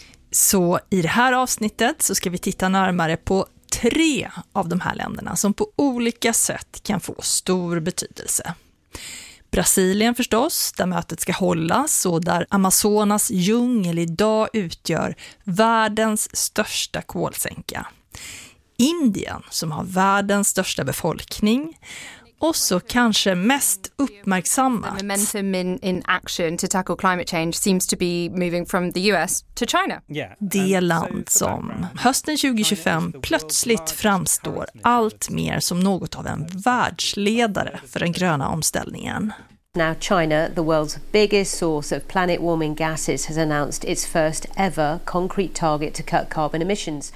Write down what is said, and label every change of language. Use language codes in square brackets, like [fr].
[sv] Så i det här avsnittet så ska vi titta närmare på tre av de här länderna som på olika sätt kan få stor betydelse. Brasilien förstås, där mötet ska hållas och där Amazonas djungel idag utgör världens största kolsänka. Indien, som har världens största befolkning. Och så kanske mest uppmärksammat. [en] The momentum in action to tackle climate change seems to be moving from the US to China. [sv] Det land som hösten 2025 plötsligt framstår allt mer som något av en världsledare för den gröna omställningen. [en] Now China, the world's biggest source of planet warming gases, has announced its first ever concrete target to cut carbon emissions.